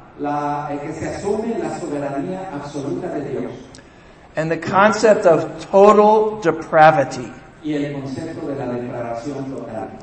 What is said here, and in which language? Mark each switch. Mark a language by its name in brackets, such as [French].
[Spanish] el que se asume la soberanía absoluta de Dios. [English] And the concept of total depravity. [Spanish] Y el concepto de la depravación total.